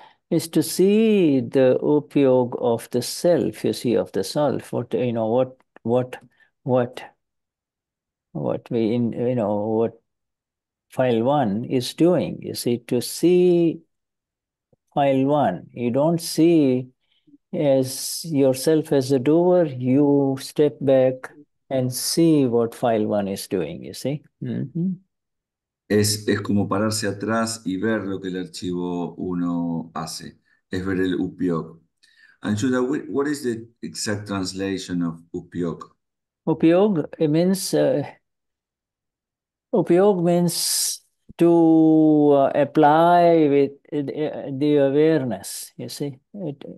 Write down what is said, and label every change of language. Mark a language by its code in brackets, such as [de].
[en] is to see the upyog of the self, you see, of the self, what, you know, what we in, you know, what file one is doing, you see, to see file one. You don't see as yourself as a doer, you step back and see what file one is doing, you see. [es] Es como pararse atrás y ver lo que el archivo uno hace. Es ver el upyog. [en] And Shuddha, what is the exact translation of upyog? Upyog, it means, upyog means to apply with the awareness, you see. It,